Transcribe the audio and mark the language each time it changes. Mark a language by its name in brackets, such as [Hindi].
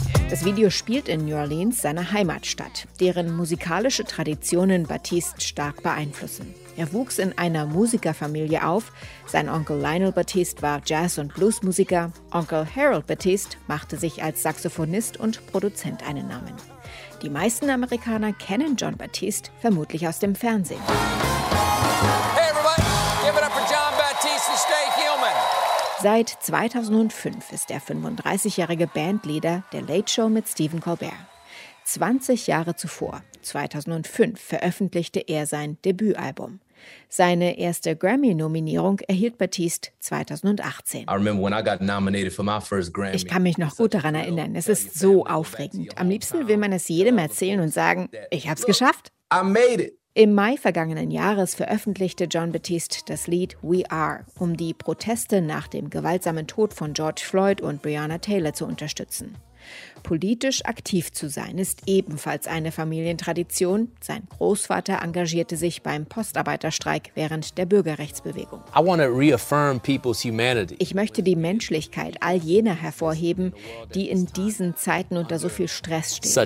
[German] Das Video spielt in New Orleans, seiner Heimatstadt, deren musikalische Traditionen Batiste stark beeinflussen. Er wuchs in einer Musikerfamilie auf. Sein Onkel Lionel Batiste war Jazz- und Bluesmusiker. Onkel Harold Batiste machte sich als Saxophonist und Produzent einen Namen. Die meisten Amerikaner kennen John Batiste vermutlich aus dem Fernsehen. [English] Hey everybody, give it up for John Batiste and stay human. [German] Seit 2005 ist der 35-jährige Bandleader der Late Show mit Stephen Colbert. 20 Jahre zuvor, 2005, veröffentlichte er sein Debütalbum. Seine erste Grammy-Nominierung erhielt Batiste 2018. [English] I remember when I got nominated for my first Grammy. [German] Ich kann mich noch gut daran erinnern. Es ist so aufregend. Am liebsten will man es jedem erzählen und sagen, ich hab's geschafft. [English] I made it. [German] Im Mai vergangenen Jahres veröffentlichte John Batiste das Lied We Are, um die Proteste nach dem gewaltsamen Tod von George Floyd und Breonna Taylor zu unterstützen. Politisch aktiv zu sein, ist ebenfalls eine Familientradition. Sein Großvater engagierte sich beim Postarbeiterstreik während der Bürgerrechtsbewegung. [English] I want to reaffirm people's humanity. [German] Ich möchte die Menschlichkeit all jener hervorheben, die in diesen Zeiten unter so viel Stress stehen.